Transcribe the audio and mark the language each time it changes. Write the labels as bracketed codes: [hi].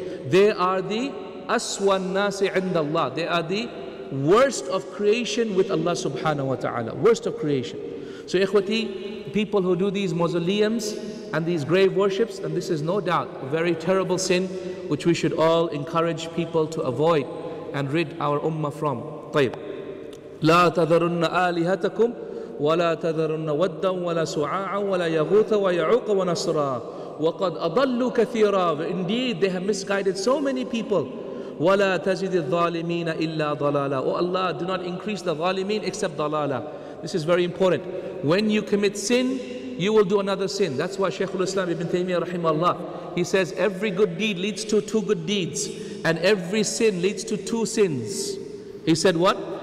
[en] They are the aswan nasi indallah. They are the worst of creation with Allah subhanahu wa ta'ala. Worst of creation." So, ikhwati, people who do these mausoleums and these grave worships, and this is no doubt a very terrible sin which we should all encourage people to avoid and rid our ummah from. [ar] طيب. لا تذرن آلهتكم ولا تذرن ودا ولا سعاعا ولا يغوث ويعوق ونصرا وقد أضلوا كثيرا. [en] Indeed, they have misguided so many people. [ar] ولا تزد الظالمين إلا ضلالا. [en] Oh Allah, do not increase the ظالمين except ضلالا. This is very important. When you commit sin, you will do another sin. That's why Shaykh al-Islam ibn Taymiyyah rahimahullah, he says, every good deed leads to two good deeds, and every sin leads to two sins. He said what?